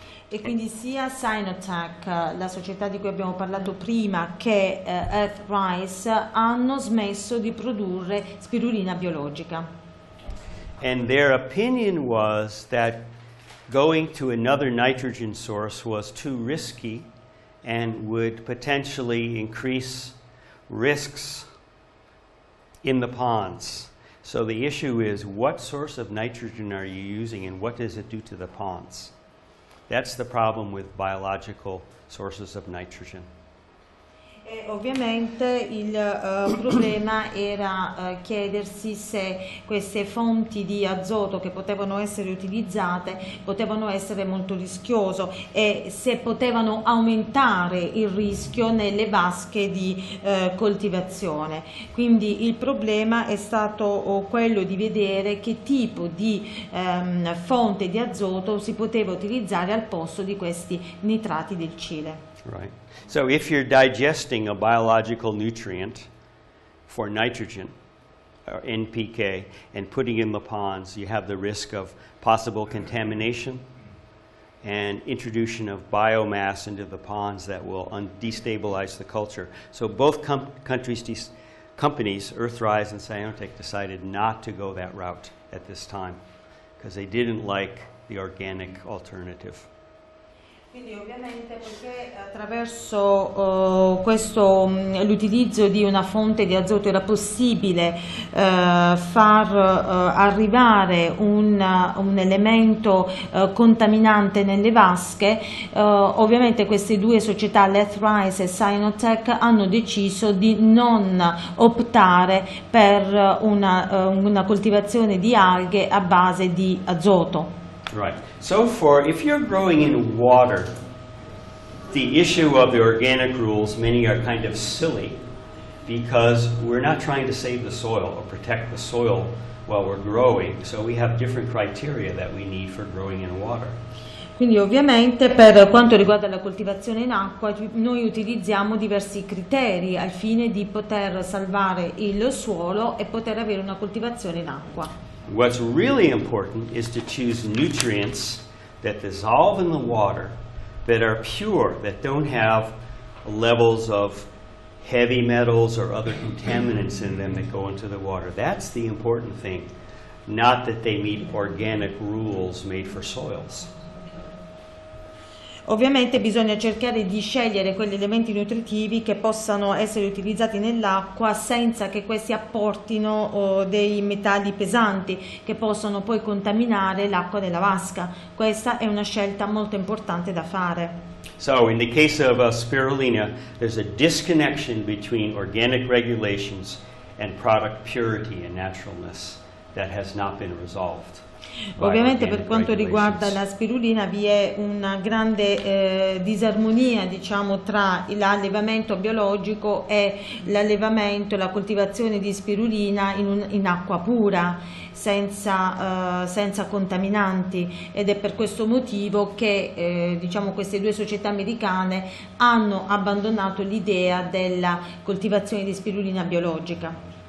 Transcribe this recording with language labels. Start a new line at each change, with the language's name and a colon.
Italian: E quindi sia Cyanotech, la società di cui abbiamo parlato prima, che Earthrise hanno smesso di produrre spirulina biologica.
English: And their opinion was that going to another nitrogen source was too risky and would potentially increase risks in the ponds. So the issue is, what source of nitrogen are you using and what does it do to the ponds? That's the problem with biological sources of nitrogen.
Italian: E ovviamente il problema era chiedersi se queste fonti di azoto che potevano essere utilizzate potevano essere molto rischioso e se potevano aumentare il rischio nelle vasche di coltivazione. Quindi il problema è stato quello di vedere che tipo di fonte di azoto si poteva utilizzare al posto di questi nitrati del Cile.
English: Right. So if you're digesting a biological nutrient for nitrogen, or NPK, and putting in the ponds, you have the risk of possible contamination and introduction of biomass into the ponds that will destabilize the culture. So both companies, Earthrise and Cyanotech, decided not to go that route at this time because they didn't like the organic alternative.
Italian: Quindi ovviamente perché attraverso l'utilizzo di una fonte di azoto era possibile arrivare un elemento contaminante nelle vasche, ovviamente queste due società, Earthrise e Cyanotech, hanno deciso di non optare per una coltivazione di alghe a base di azoto.
English: Right. So for if you're growing in water, the issue of the organic rules, many are kind of silly because we're not trying to save the soil or protect the soil while we're growing. So we have different criteria that we need for growing in water.
Italian: Quindi ovviamente per quanto riguarda la coltivazione in acqua noi utilizziamo diversi criteri al fine di poter salvare il suolo e poter avere una coltivazione in acqua.
English: What's really important is to choose nutrients that dissolve in the water, that are pure, that don't have levels of heavy metals or other contaminants in them that go into the water. That's the important thing, not that they meet organic rules made for soils.
Italian: Ovviamente bisogna cercare di scegliere quegli elementi nutritivi che possano essere utilizzati nell'acqua senza che questi apportino dei metalli pesanti che possano poi contaminare l'acqua della vasca. Questa è una scelta molto importante da fare.
English: So in the case of spirulina, there's a disconnection between organic regulations and product purity and naturalness that has not been resolved.
Italian: Ovviamente per quanto riguarda la spirulina vi è una grande disarmonia, diciamo, tra l'allevamento biologico e l'allevamento, la coltivazione di spirulina in acqua pura, senza contaminanti, ed è per questo motivo che diciamo queste due società americane hanno abbandonato l'idea della coltivazione di spirulina biologica.